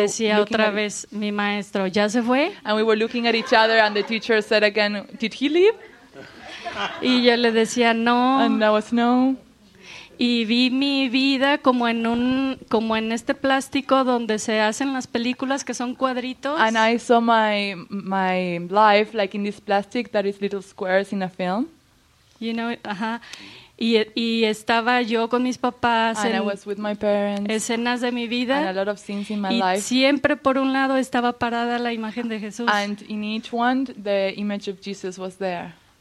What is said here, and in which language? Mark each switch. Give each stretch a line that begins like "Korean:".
Spanish: decía otra vez mi maestro, ¿ya se fue?
English: And we were looking at each other and the teacher said again, did he leave?
Spanish: Y yo le decía no.
English: And I was no.
Spanish: Y vi mi vida como en este plástico donde se hacen las películas que son cuadritos.
English: And I saw my life like in this plastic that is little squares in a film. You know, uh-huh.
Spanish: Y estaba yo con mis papás
English: and I was with my parents,
Spanish: escenas de mi vida
English: and a lot of scenes in my
Spanish: y
English: life.
Spanish: Siempre por un lado estaba parada la imagen de Jesús.
English: And in each one, the image of Jesus was there.